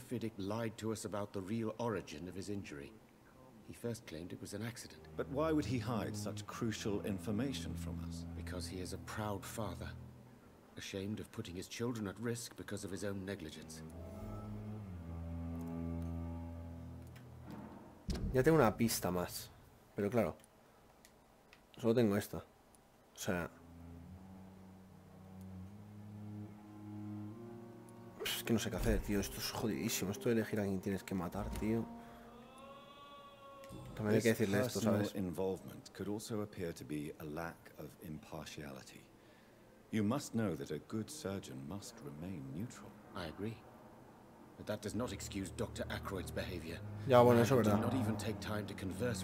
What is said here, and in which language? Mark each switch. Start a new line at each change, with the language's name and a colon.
English: Fiddick lied to us about the real origin of his injury. He first claimed it was an accident. But why would he hide such crucial information from us? Because he is a proud father, ashamed of putting his children at risk because of his own negligence.
Spanish: Ya tengo una pista más, pero claro, solo tengo esta. O sea. Es que no sé qué hacer, tío. Esto es jodidísimo. Esto de elegir a quien tienes que matar, tío. También hay que decirle esto, ¿sabes? Personal
English: involvement could also appear to be a lack of impartiality. You must know that a good surgeon must remain neutral. I agree. But that does not excuse Dr. Aykroyd's behavior.
Spanish: Ya, bueno, eso es verdad.
English: Not even take time to converse.